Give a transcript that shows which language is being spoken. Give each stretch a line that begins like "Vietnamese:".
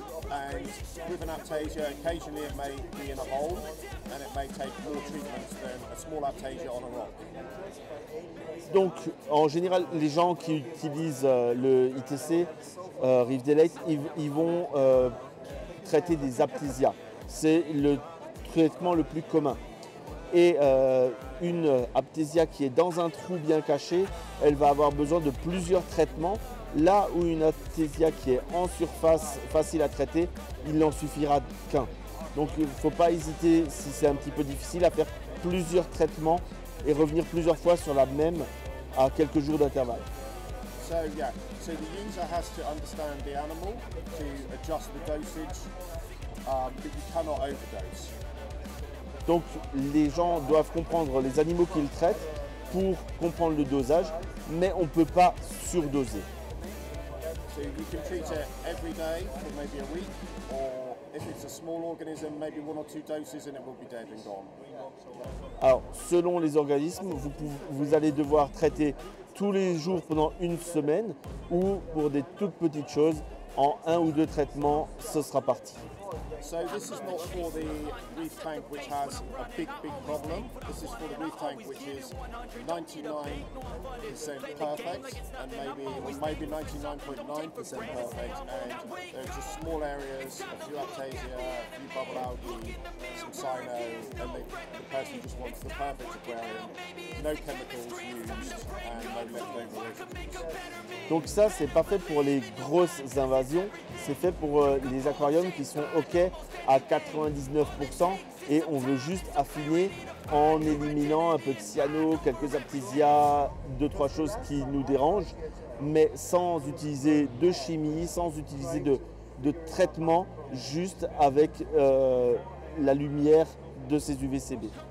English: And with an aptasia, occasionally it may be in a hole and it may take more treatments than a small aptasia on a rock.
French: Donc, en général, les gens qui utilisent le ITC, Reef Delete, ils vont traiter des aptasia. C'est le traitement le plus commun. Et une aptasia qui est dans un trou bien caché, elle va avoir besoin de plusieurs traitements. Là où une aptasia qui est en surface, facile à traiter, il n'en suffira qu'un. Donc il ne faut pas hésiter, si c'est un petit peu difficile, à faire plusieurs traitements et revenir plusieurs fois sur la même à quelques jours d'intervalle.
English: So yeah, so the user has to understand the animal to adjust the dosage, but you cannot overdose.
French: Donc les gens doivent comprendre les animaux qu'ils traitent pour comprendre le dosage, mais on ne peut pas surdoser.
English: So you can treat it every day for maybe a week, or if it's a small organism, maybe one or two doses and it will be dead and gone.
French: Alors selon les organismes, vous allez devoir traiter tous les jours pendant une semaine, ou pour des toutes petites choses, en un ou deux traitements, ce sera parti.
English: Okay. So this is not for the reef tank which has a big, big problem. This is for the reef tank which is 99% perfect and maybe 99.9% perfect, and there's just small areas, a few Aptasia, a few bubble algae, some cyano, and the person just wants the perfect aquarium. No chemicals used and no methane release.
French: Donc ça, c'est pas fait pour les grosses invasions, c'est fait pour les aquariums qui sont OK à 99% et on veut juste affiner en éliminant un peu de cyano, quelques aptisia, deux, trois choses qui nous dérangent, mais sans utiliser de chimie, sans utiliser de traitement, juste avec la lumière de ces UVCB.